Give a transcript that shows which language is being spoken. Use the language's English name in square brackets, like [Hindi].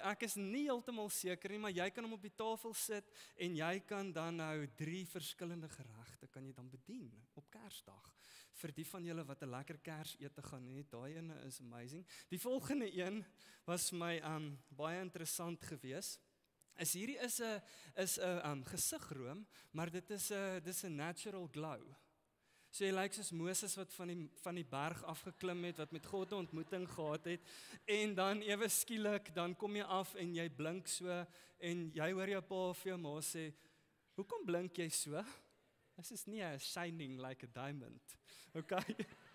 [Afrikaans] Ek is nie heeltemal seker nie, maar jy kan hom op die tafel sit, en jy kan dan nou 3 verskillende gerechte, kan jy dan bedien, op kersdag. Vir die van julle wat een lekker kers eet gaan, nie, daai ene is amazing. Die volgende een was my baie interessant gewees, is hierdie is een gesigroom, maar dit is een [English] natural glow. [Afrikaans] So jy lyk soos Moses wat van die berg afgeklim het, wat met God ontmoeting gehad het, en dan ewe skielik, dan kom jy af en jy blink so, en jy hoor jou pa of jou ma sê, hoekom blink jy so? [English] This is [Afrikaans] nie [English] a shining like a diamond, okay?